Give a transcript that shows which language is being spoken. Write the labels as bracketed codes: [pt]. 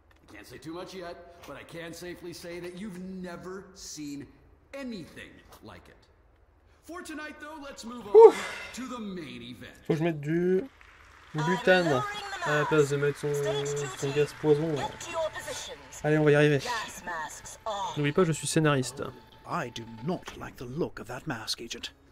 [en] I can't say too much yet, but I can safely say that you've never seen anything like it. For tonight though, let's move on to the main event. [fr] Faut que je mette du butane à la place de mettre son gaz poison. Allez, on va y arriver. N'oublie pas, je suis scénariste. [en] I do not like the look of that mask, agent.